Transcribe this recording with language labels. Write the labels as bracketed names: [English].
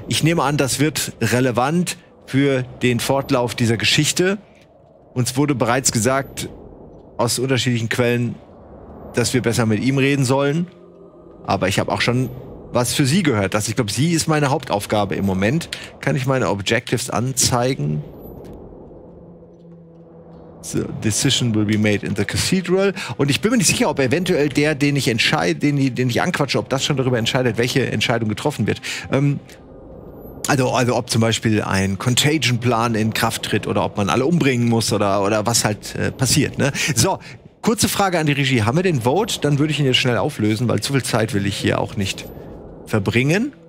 [German] Ich nehme an, das wird relevant für den Fortlauf dieser Geschichte. Uns wurde bereits gesagt, aus unterschiedlichen Quellen, dass wir besser mit ihm reden sollen. Aber ich habe auch schon was für sie gehört. Dass ich glaube, sie ist meine Hauptaufgabe im Moment. Kann ich meine Objectives anzeigen? [English] So, decision will be made in the cathedral. [German] Und ich bin mir nicht sicher, ob eventuell der, den ich entscheide, den ich anquatsche, ob das schon darüber entscheidet, welche Entscheidung getroffen wird. Also ob zum Beispiel ein Contagion-Plan in Kraft tritt oder ob man alle umbringen muss oder was halt passiert. Ne? So, kurze Frage an die Regie. Haben wir den Vote? Dann würde ich ihn jetzt schnell auflösen, weil zu viel Zeit will ich hier auch nicht verbringen.